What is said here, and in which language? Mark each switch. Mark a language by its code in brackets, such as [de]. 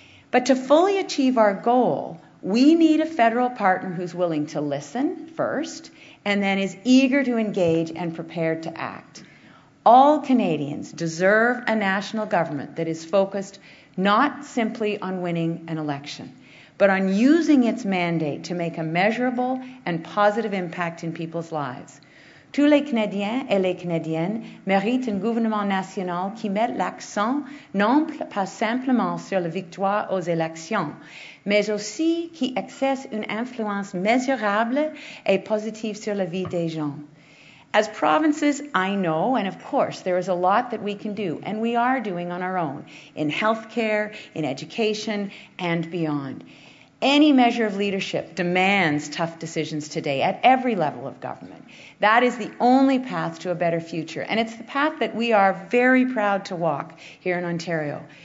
[en] But to fully achieve our goal, we need a federal partner who's willing to listen first and then is eager to engage and prepared to act. All Canadians deserve a national government that is focused not simply on winning an election, but on using its mandate to make a measurable and positive impact in people's lives. [fr] Tous les Canadiens et les Canadiennes méritent un gouvernement national qui mette l'accent non pas simplement sur la victoire aux élections, mais aussi qui exerce une influence mesurable et positive sur la vie des gens. [en] As provinces, I know, and of course, there is a lot that we can do, and we are doing on our own, in healthcare, in education, and beyond. Any measure of leadership demands tough decisions today at every level of government. That is the only path to a better future, and it's the path that we are very proud to walk here in Ontario.